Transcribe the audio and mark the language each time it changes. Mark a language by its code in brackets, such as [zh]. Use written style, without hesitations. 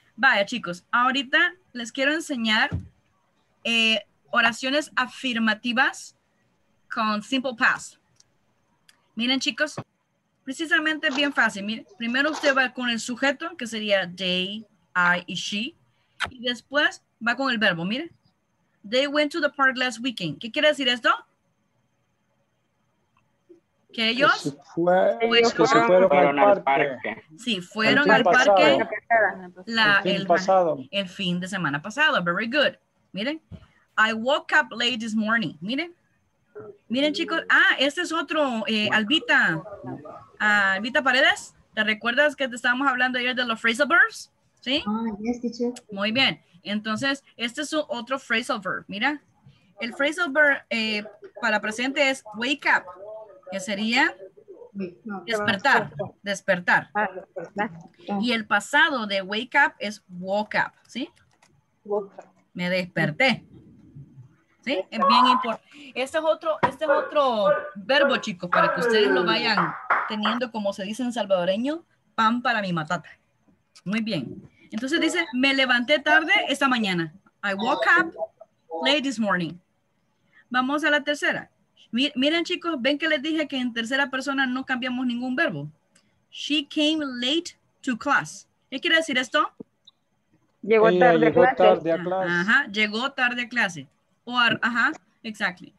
[es] Vaya, chicos, ahorita les quiero enseñar oraciones afirmativas con simple past. Miren, chicos, precisamente bien fácil. Miren, primero usted va con el sujeto, que sería they, I y she, y después va con el verbo, mire. [en] They went to the park last weekend. [es] ¿Qué quiere decir esto? Que ellos... Que fueron al parque. Sí, fueron al parque el fin de semana pasado. [en] Very good. [es] Miren. [en] I woke up late this morning. [es] Miren. Miren, chicos. Ah, este es otro. Albita. Albita Paredes. ¿Te recuerdas que te estábamos hablando ayer de los phrasal verbs? ¿Sí? [en] Oh, yes, teacher. [es] Muy bien. Entonces, este es otro phrasal verb. Mira, el phrasal verb para presente es wake up, que sería despertar. Despertar. Y el pasado de wake up es woke up. ¿Sí? Me desperté. ¿Sí? Es bien importante. Este es otro verbo, chicos, para que ustedes lo vayan teniendo, como se dice en salvadoreño, pan para mi matata. Muy bien. Entonces dice, me levanté tarde esta mañana. [en] I woke up late this morning. [es] Vamos a la tercera. Miren, chicos, ven que les dije que en tercera persona no cambiamos ningún verbo. [en] She came late to class. [es] ¿Qué quiere decir esto? Llegó tarde a clase. Ajá, llegó tarde a clase. Exactly.